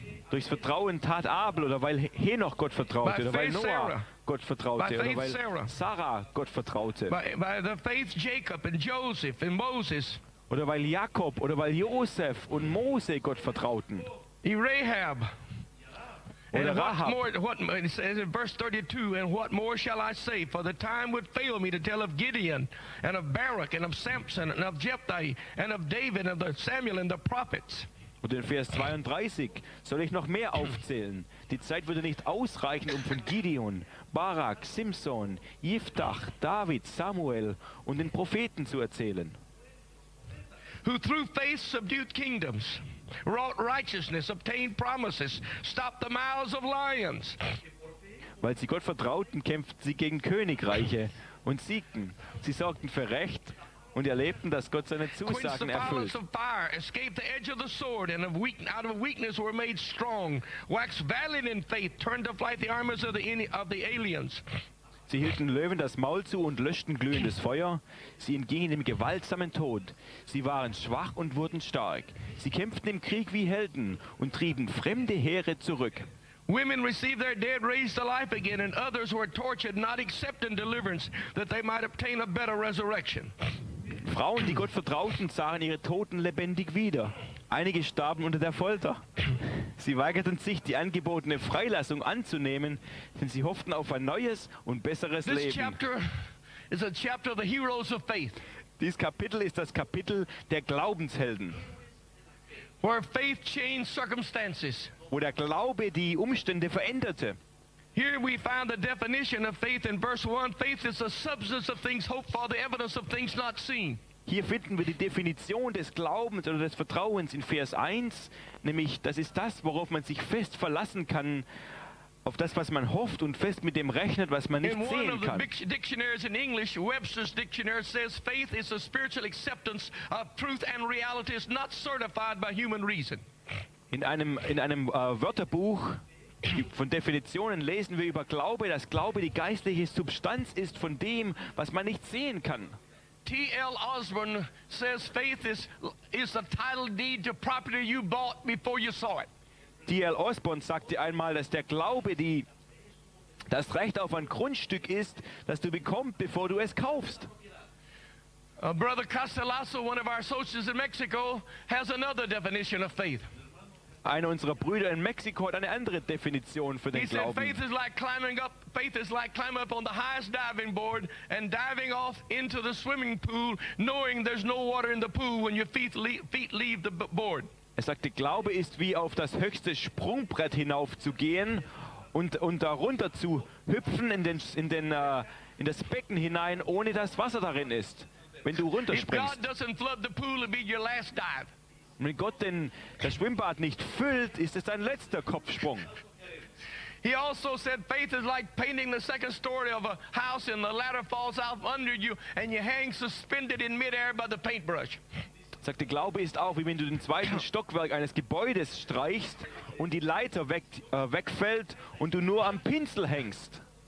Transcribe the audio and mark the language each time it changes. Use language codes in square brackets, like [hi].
[de] Durchs Vertrauen tat Abel oder weil Henoch Gott vertraute oder weil Noah Sarah. Gott vertraute [en] by [de] oder weil Sarah. Sarah Gott vertraute [en] by the faith Jacob and Joseph and Moses. [de] Oder weil Jakob oder weil Josef und Mose Gott vertrauten. Rahab. Oder [en] and Rahab. What it says in verse 32, and what more shall I say? For the time would fail me to tell of Gideon and of Barak and of Samson and of Jephthah and of David and of the Samuel and the prophets. [de] Und in Vers 32 soll ich noch mehr aufzählen. Die Zeit würde nicht ausreichen, um von Gideon, Barak, Simson, Jephthah, David, Samuel und den Propheten zu erzählen. [en] Who through faith subdued kingdoms, wrought righteousness, obtained promises, stopped the mouths of lions. [de] Weil sie Gott vertrauten, kämpften sie gegen Königreiche und siegten. Sie sorgten für Recht und erlebten, dass Gott seine Zusagen erfüllt. [en] Quenched the violence of fire, escaped the edge of the sword, and out of weakness were made strong, waxed valiant in faith, turned to flight the armies of the aliens. [de] Sie hielten Löwen das Maul zu und löschten glühendes Feuer. Sie entgingen dem gewaltsamen Tod. Sie waren schwach und wurden stark. Sie kämpften im Krieg wie Helden und trieben fremde Heere zurück. [en] Women received their dead raised to life again, and others were tortured, not accepting deliverance, that they might obtain a better resurrection. [de] Frauen, die Gott vertrauten, sahen ihre Toten lebendig wieder. Einige starben unter der Folter. Sie weigerten sich, die angebotene Freilassung anzunehmen, denn sie hofften auf ein neues und besseres [en] This [de] Leben. [en] Chapter is a chapter of the heroes of faith. [de] Dieses Kapitel ist das Kapitel der Glaubenshelden. [en] Where faith changed circumstances. [de] Wo der Glaube die Umstände veränderte. [en] Here we find the definition of faith in verse 1. Faith is the substance of things hoped for, the evidence of things not seen. [de] Hier finden wir die Definition des Glaubens oder des Vertrauens in Vers 1, nämlich das ist das, worauf man sich fest verlassen kann, auf das, was man hofft und fest mit dem rechnet, was man nicht sehen kann. [en] In one of the dictionaries in English, Webster's dictionary says, faith is a spiritual acceptance of truth and reality is not certified by human reason. [de] In einem Wörterbuch von Definitionen lesen wir über Glaube, dass Glaube die geistliche Substanz ist von dem, was man nicht sehen kann. [en] T.L. Osborne says faith is a title deed to property you bought before you saw it. [de] T.L. Osborne sagte einmal, dass der Glaube das Recht auf ein Grundstück ist, das du bekommst, bevor du es kaufst. [en] Brother Castellaso, one of our associates in Mexico, has another definition of faith. [de] Einer unserer Brüder in Mexiko hat eine andere Definition für den [en] He [de] Glauben. [en] Said, faith is like climbing up. Faith is like climbing up on the highest diving board and diving off into the swimming pool, knowing there's no water in the pool when your feet leave the board. [de] Er sagte, Glaube ist wie auf das höchste Sprungbrett hinaufzugehen und darunter zu hüpfen in das Becken hinein, ohne dass Wasser darin ist, wenn du runterspringst. [en] If God doesn't flood the pool, it'll be your last dive. [de] Wenn Gott denn das Schwimmbad nicht füllt, ist es ein letzter Kopfsprung. [en] He also said faith is like painting the second story of a house and the ladder falls out under you and you hang suspended in midair by the paintbrush. [de] Sagte Glaube ist auch, wie wenn du den zweiten Stockwerk eines Gebäudes streichst und die Leiter wegfällt und du nur am Pinsel hängst.